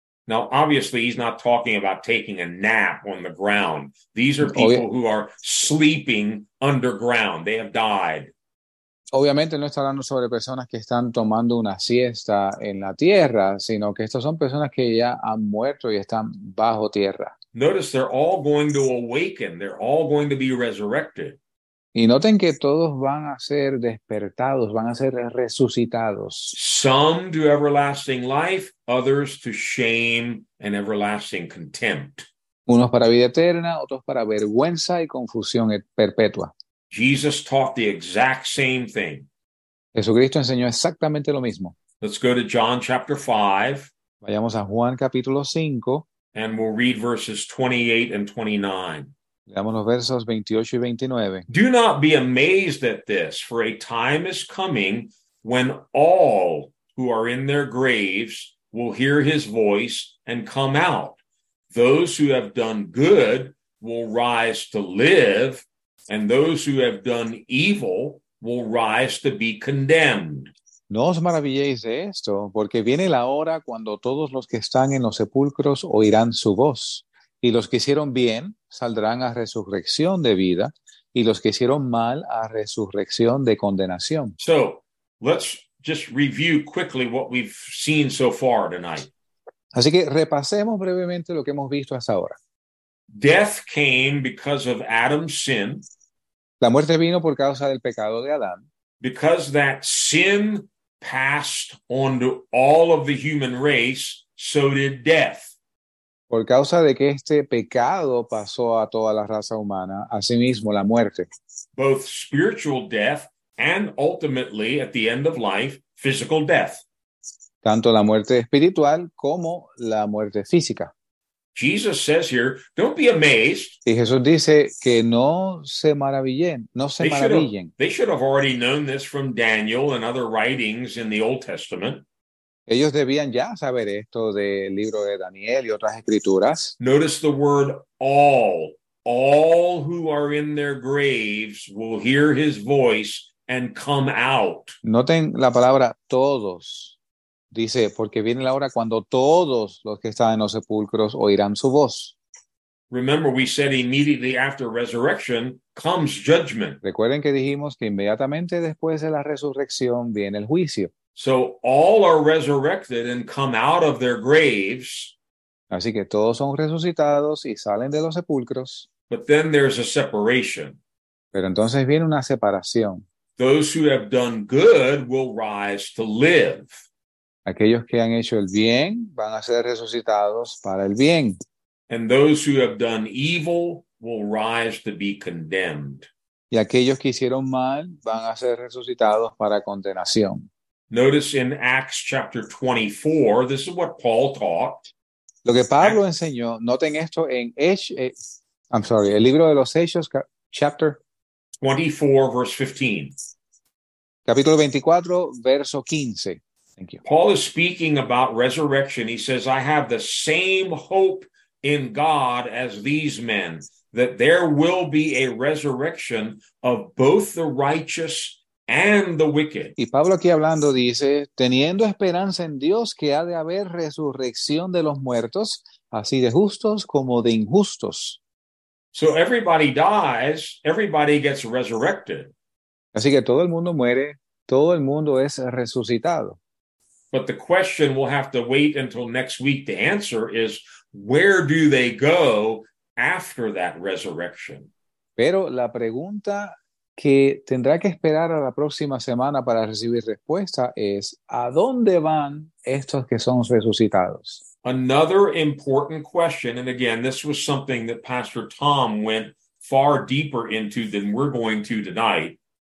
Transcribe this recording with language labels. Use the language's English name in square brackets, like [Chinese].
[English] Now, obviously, he's not talking about taking a nap on the ground. These are people who are sleeping underground. They have died. [Spanish] Obviamente, no está hablando sobre personas que están tomando una siesta en la tierra, sino que estas son personas que ya han muerto y están bajo tierra. [English] Notice they're all going to awaken. They're all going to be resurrected. [Spanish] Y noten que todos van a ser despertados, van a ser resucitados. [English] Some to everlasting life, others to shame and everlasting contempt. [Spanish] Unos para vida eterna, otros para vergüenza y confusión perpetua. [English] Jesus taught the exact same thing. [Spanish] Jesucristo enseñó exactamente lo mismo. [English] Let's go to John chapter 5. [Spanish] Vayamos a Juan capítulo 5. [English] And we'll read verses 28 and 29. [Spanish] Leamos los versos 28 y 29. [English] Do not be amazed at this, for a time is coming when all who are in their graves will hear his voice and come out. Those who have done good will rise to live, and those who have done evil will rise to be condemned. [Spanish] No os maravilléis de esto, porque viene la hora cuando todos los que están en los sepulcros oirán su voz. Y los que hicieron bien saldrán a resurrección de vida, y los que hicieron mal a resurrección de condenación. [English] So, let's just review quickly what we've seen so far tonight. [Spanish] Así que repasemos brevemente lo que hemos visto hasta ahora. [English] Death came because of Adam's sin. [Spanish] La muerte vino por causa del pecado de Adán. [English] Because that sin passed on to all of the human race, so did death. [Spanish] Por causa de que este pecado pasó a toda la raza humana, asimismo la muerte. [English] Both spiritual death and ultimately, at the end of life, physical death. [Spanish] Tanto la muerte espiritual como la muerte física. [English] Jesus says here, don't be amazed. [Spanish] Y Jesús dice que no se maravillen, no se maravillen. [English] They should have already known this from Daniel and other writings in the Old Testament. [Spanish] Ellos debían ya saber esto del libro de Daniel y otras escrituras. [English] Notice the word all. All who are in their graves will hear his voice and come out. [Spanish] Noten la palabra todos. Dice, porque viene la hora cuando todos los que están en los sepulcros oirán su voz. [English] Remember, we said immediately after resurrection comes judgment. [Spanish] Recuerden que dijimos que inmediatamente después de la resurrección viene el juicio. [English] So all are resurrected and come out of their graves. [Spanish] Así que todos son resucitados y salen de los sepulcros. [English] But then there's a separation. [Spanish] Pero entonces viene una separación. [English] Those who have done good will rise to live. [Spanish] Aquellos que han hecho el bien van a ser resucitados para el bien. [English] And those who have done evil will rise to be condemned. [Spanish] Y aquellos que hicieron mal van a ser resucitados para condenación. [English] Notice in Acts chapter 24, this is what Paul taught. [Spanish] Lo que Pablo enseñó, noten esto en el libro de los Hechos, chapter [English] 24, verse 15. [Spanish] Capítulo 24, verso 15. [English] Thank you. Paul is speaking about resurrection. He says, I have the same hope in God as these men, that there will be a resurrection of both the righteous and the wicked. [Spanish] Y Pablo aquí hablando dice, teniendo esperanza en Dios que ha de haber resurrección de los muertos, así de justos como de injustos. [English] So everybody dies, everybody gets resurrected. [Spanish] Así que todo el mundo muere, todo el mundo es resucitado. [English] But the question we'll have to wait until next week to answer is, where do they go after that resurrection? [Spanish] Pero la pregunta que tendrá que esperar a la próxima semana para recibir respuesta es, ¿a dónde van estos que son resucitados? [English] Another important question, and again, this was something that Pastor Tom went far deeper into than we're going to tonight.